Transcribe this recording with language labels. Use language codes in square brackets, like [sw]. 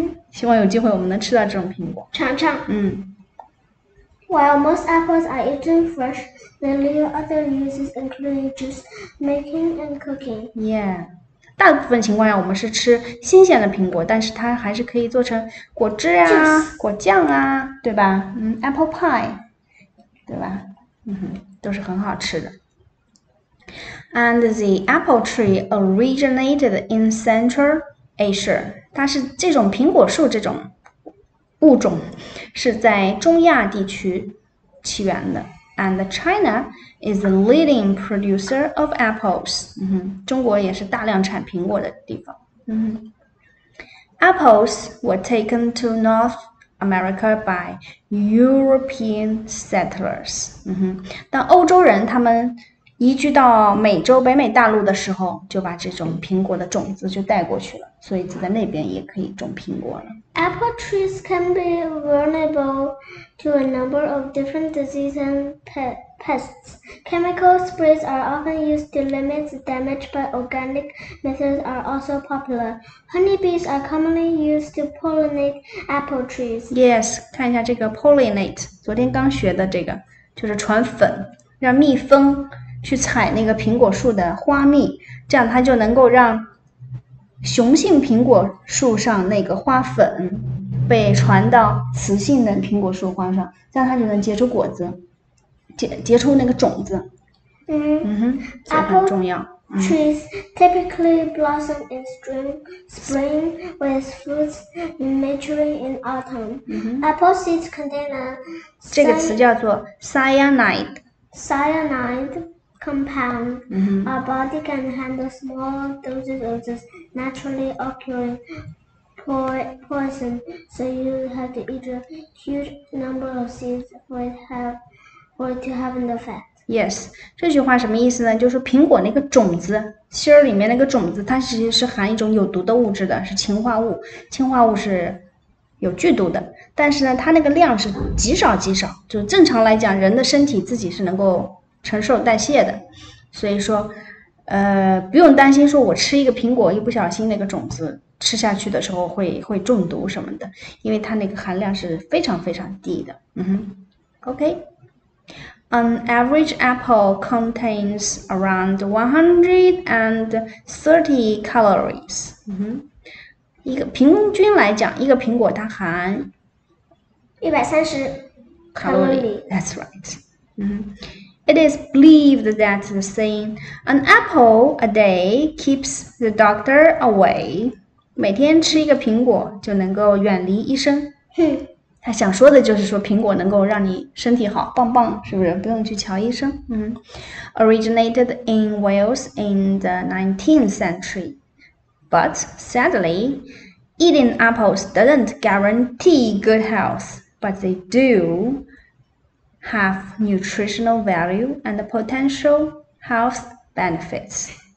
[zh] 希望有机会我们能吃到这种苹果。尝尝。 [en] While most apples are eaten fresh, they leave other uses, including juice making and cooking. [zh] 大部分情况下我们是吃新鲜的苹果，但是它还是可以做成果汁啊、 [en] Juice. [zh] 果酱啊，对吧？Apple pie，对吧？都是很好吃的。 [en] And the apple tree originated in Central Asia。 [zh] 它是这种苹果树这种物种是在中亚地区起源的。 [en] And China is the leading producer of apples。 [zh] 中国也是大量产苹果的地方。 [en] Apples were taken to North America by European settlers。 [zh] 当欧洲人他们移居到美洲、北美大陆的时候，就把这种苹果的种子就带过去了，所以就在那边也可以种苹果了。 [en] Apple trees can be vulnerable to a number of different diseases and pests. Chemical sprays are often used to limit the damage, but organic methods are also popular. Honeybees are commonly used to pollinate apple trees. [zh] Yes，看一下这个 pollinate，昨天刚学的这个就是传粉，让蜜蜂去采那个苹果树的花蜜，这样它就能够让雄性苹果树上那个花粉被传到雌性的苹果树花上，这样它就能结出果子，结出那个种子。所以很重 [en] Apple [zh] 要。 [en] trees typically blossom in spring, with fruits maturing in autumn. Apple seeds contain a [zh] 这个词叫做 cyanide。 [en] cyanide compound. Our body can handle small doses of this naturally occurring poison, so you have to eat a huge number of seeds for it to have an effect. [zh] Yes，这句话什么意思呢？就是苹果那个种子芯儿里面那个种子，它其实是含一种有毒的物质的，是氰化物。氰化物是有剧毒的，但是呢，它那个量是极少极少，就正常来讲，人的身体自己是能够承受代谢的，所以说，不用担心，说我吃一个苹果，一不小心那个种子吃下去的时候会中毒什么的，因为它那个含量是非常非常低的。 [en] OK，An average apple contains around 130 calories。 [zh] 一个平均来讲，一个苹果它含 130 [en] calorie。 calorie. That's right。 It is believed that the saying "an apple a day keeps the doctor away" [zh] 每天吃一个苹果就能够远离医生。哼，他想说的就是说，苹果能够让你身体好，棒棒，是不是？不用去瞧医生。 [en] Originated in Wales in the 19th century, but sadly, eating apples doesn't guarantee good health, but they do have nutritional value and potential health benefits.